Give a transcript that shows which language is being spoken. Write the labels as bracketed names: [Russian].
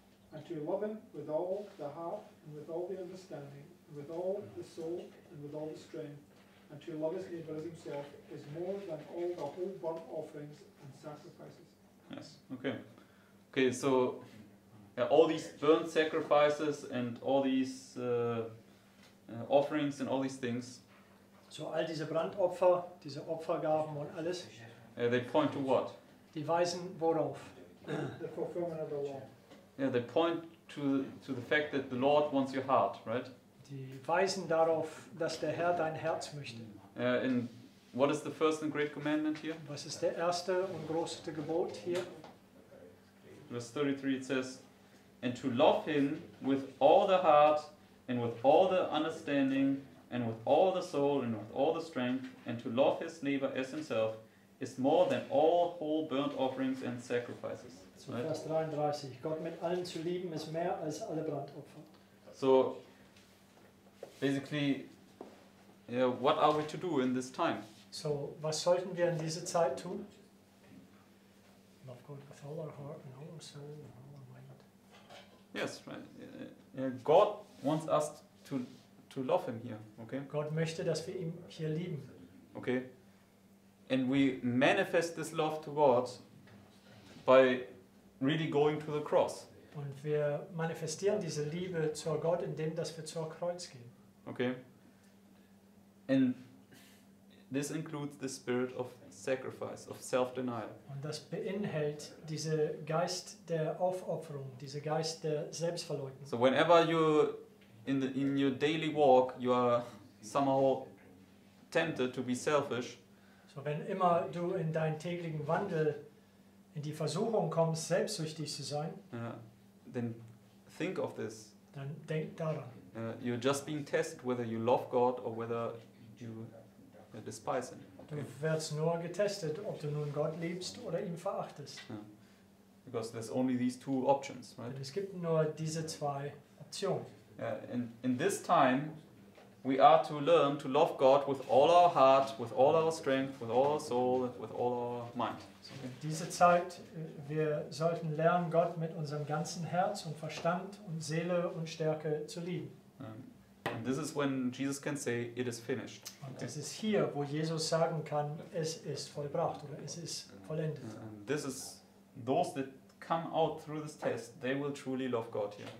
[English] And to love Him with all the heart, and with all the understanding, and with all the soul, and with all the strength, and to love his neighbor as himself is more than all the whole burnt offerings and sacrifices. Yes, okay. Okay, so yeah, all these burnt sacrifices and all these offerings and all these things. [German] So all diese Brandopfer, diese Opfergaben und alles. [English] Yeah, they point to what? [German] Die weisen worauf? [English] The fulfillment of the law. Yeah, they point to the fact that the Lord wants your heart, right? [German] Die weisen darauf, dass der Herr dein Herz möchte. [English] And what is the first and great commandment here? [German] Was ist der erste und größte Gebot hier? [English] Verse 33, it says, and to love him with all the heart and with all the understanding and with all the soul and with all the strength and to love his neighbor as himself is more than all whole burnt offerings and sacrifices. So right? [German] Vers 33, Gott mit allen zu lieben ist mehr als alle Brandopfer. [English] So, basically, yeah, what are we to do in this time? [German] So, was sollten wir in dieser Zeit tun? [English] Love God with all our heart and all our soul and all our mind. Yes, right. Yeah, God wants us to love him here, okay? [German] Gott möchte, dass wir ihn hier lieben. [English] Okay. And we manifest this love to God by really going to the cross. [German] Und wir manifestieren diese Liebe zu Gott, indem dass wir zur Kreuz gehen. [English] Okay. And this includes the spirit of sacrifice, of self-denial. [German] Und das beinhält diese Geist der Aufopferung, diese Geist der Selbstverleugnung. [English] So whenever you in your daily walk you are somehow tempted to be selfish. [German] So wenn immer du in deinen täglichen Wandel in die Versuchung kommst, selbstsüchtig zu sein, [English] then think of this. [German] Dann denk daran. [English] You're just being tested whether you love God or whether you despise him. Okay. [German] Du wirst nur getestet, ob du nun Gott liebst oder ihn verachtest. [English] Yeah. Because there's only these two options, right? [German] Es gibt nur diese zwei Optionen. [English] In this time, we are to learn to love God with all our heart, with all our strength, with all our soul, with all our mind. [German] In dieser Zeit, wir sollten lernen, Gott mit unserem ganzen Herz und Verstand und Seele und Stärke zu lieben. [English] And this is when Jesus can say, it is finished. [German] Und das ist hier, wo Jesus sagen kann, es ist vollbracht oder es ist vollendet. [English] This is those that come out through this test, they will truly love God here.